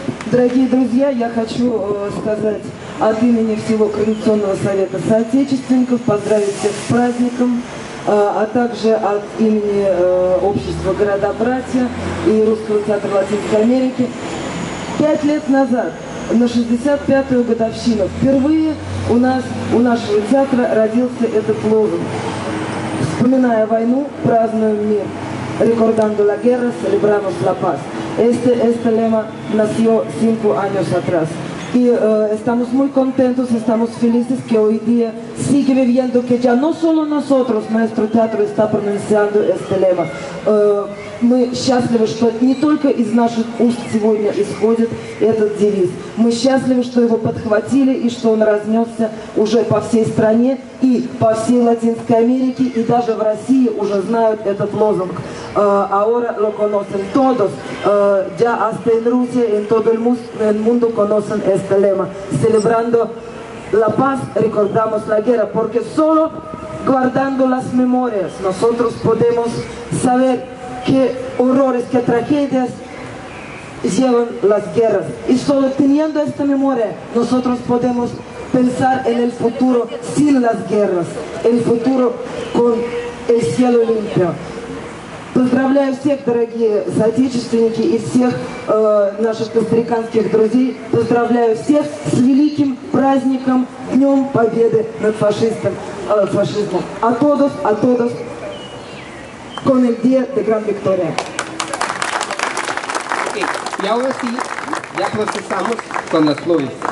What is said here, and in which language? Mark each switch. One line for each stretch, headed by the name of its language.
Russian: Дорогие друзья, я хочу сказать от имени всего Координационного совета соотечественников, поздравить всех с праздником, а также от имени общества «Города-братья» и Русского театра Латинской Америки. 5 лет назад, на 65-ю годовщину, впервые у нас, у нашего театра родился этот лозунг. Вспоминая войну, празднуем мир.
Spanish: Recordando la guerra, celebramos la paz. Este lema nació 5 años atrás. Y estamos muy contentos, estamos felices que hoy día sigue viviendo, que ya no solo nosotros, nuestro teatro está pronunciando este lema.
Russian: Мы счастливы, что не только из наших уст сегодня исходит этот девиз. Мы счастливы, что его подхватили и что он разнесся уже по всей стране и по всей Латинской Америке, и даже в России уже знают этот лозунг.
Spanish: Ahora lo conocen todos. Ya hasta en Rusia, en todo el mundo conocen este lema. Celebrando la paz, recordamos la guerra. Porque solo guardando las memorias nosotros podemos saber qué horrores, qué tragedias llevan las guerras. Y solo teniendo esta memoria nosotros podemos pensar en el futuro sin las guerras, el futuro con el cielo limpio.
Russian: Поздравляю всех, дорогие соотечественники, и всех наших костариканских друзей. Поздравляю всех с великим праздником, Днем Победы над фашизмом.
Spanish: А todos, con el día de gran victoria. Okay. Y ahora sí, ya procesamos con las flores.